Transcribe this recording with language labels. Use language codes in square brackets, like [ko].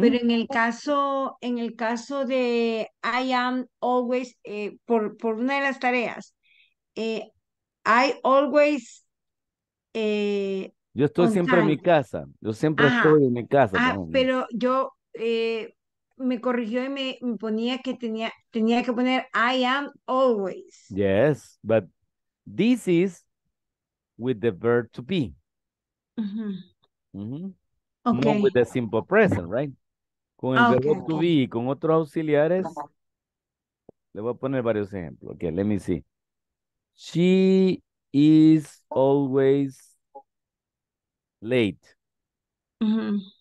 [es] Pero en el caso de [en] I am always, [es] por una de las tareas, [en] I always... [es] yo estoy siempre en mi casa. Yo siempre estoy en mi casa. Pero yo me corrigió y me ponía que tenía que poner [en] I am always. Yes, but this is with the verb to be. Mm-hmm. Mm-hmm. Okay. Not with the simple present, right? [es] Con el verbo to be y con otros auxiliares. Le voy a poner varios ejemplos. [en] Okay, let me see. She is always late. Mm-hmm.